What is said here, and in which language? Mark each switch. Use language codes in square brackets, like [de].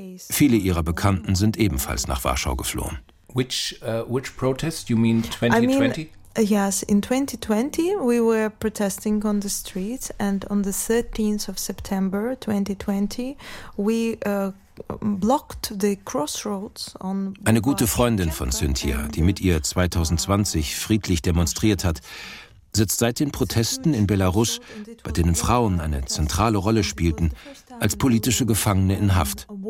[de] Viele ihrer Bekannten sind ebenfalls nach Warschau geflohen. [en] Which protest? You mean 2020? Yes, in 2020 we were protesting on the streets, and on the 13th of September 2020 we blocked the crossroads on. [de] Eine gute Freundin von Cynthia, die mit ihr 2020 friedlich demonstriert hat, sitzt seit den Protesten in Belarus, bei denen Frauen eine zentrale Rolle spielten, als politische Gefangene in Haft.